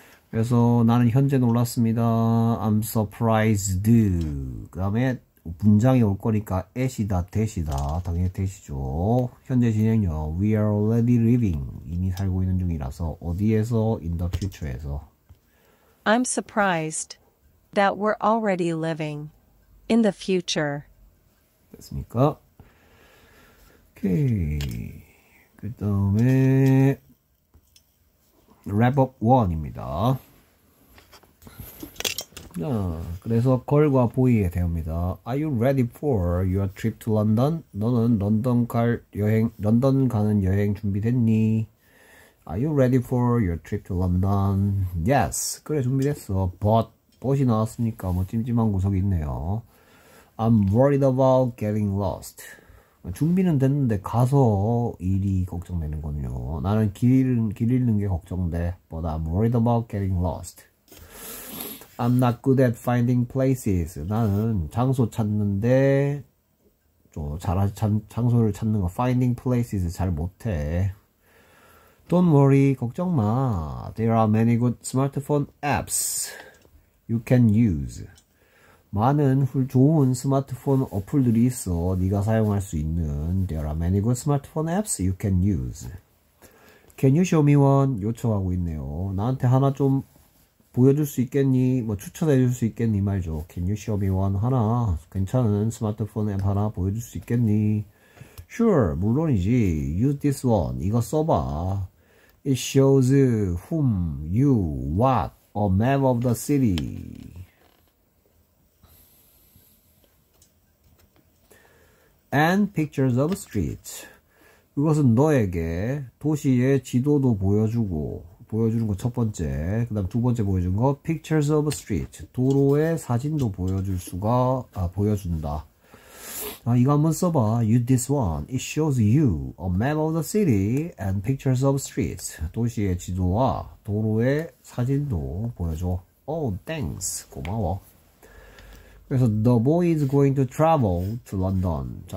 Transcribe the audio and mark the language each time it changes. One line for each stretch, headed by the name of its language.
Korean: 그래서 나는 현재 놀랐습니다.
English: I'm surprised.
Korean: 그 다음에 문장이 올 거니까 at이다, that이다. 당연히 that이죠. 현재 진행형.
English: We are already living.
Korean: 이미 살고 있는 중이라서. 어디에서? In the future에서.
English: I'm surprised that we're already living in the future.
Korean: 됐습니까? 오케이. 그 다음에 wrap up 1입니다. 자, 그래서 걸과 보이에 대합니다.
English: Are you ready for your trip to London?
Korean: 너는 런던 가는 여행 준비됐니?
English: Are you ready for your trip to London? Yes.
Korean: 그래, 준비됐어. But이 나왔으니까 뭐 찜찜한 구석이 있네요.
English: I'm worried about getting lost.
Korean: 준비는 됐는데 가서 일이 걱정되는 거군요. 나는 길 잃는 게 걱정돼.
English: But I'm worried about getting lost. I'm not good at finding places.
Korean: 나는 장소 찾는데 좀 장소를 찾는 거 finding places 잘 못해.
English: Don't worry,
Korean: 걱정 마.
English: There are many good smartphone apps you can use.
Korean: 많은 좋은 스마트폰 어플들이 있어. 네가 사용할 수 있는.
English: There are many good smartphone apps you can use. Can you show me one?
Korean: 요청하고 있네요. 나한테 하나 좀 보여줄 수 있겠니? 뭐 추천해줄 수 있겠니? 말죠.
English: Can you show me one?
Korean: 하나. 괜찮은 스마트폰 앱 하나 보여줄 수 있겠니?
English: Sure.
Korean: 물론이지.
English: Use this one.
Korean: 이거 써봐.
English: It shows whom, you, what, a map of the city. And pictures of streets.
Korean: 그것은 너에게 도시의 지도도 보여주는 거첫 번째. 그다음 두 번째 보여준 거, pictures of streets. 도로의 사진도 보여준다. 아, 이거 한번 써봐.
English: Use this one. It shows you a map of the city and pictures of streets.
Korean: 도시의 지도와 도로의 사진도 보여줘.
English: Oh, thanks.
Korean: 고마워.
English: 그래서 the boy is going to travel to London.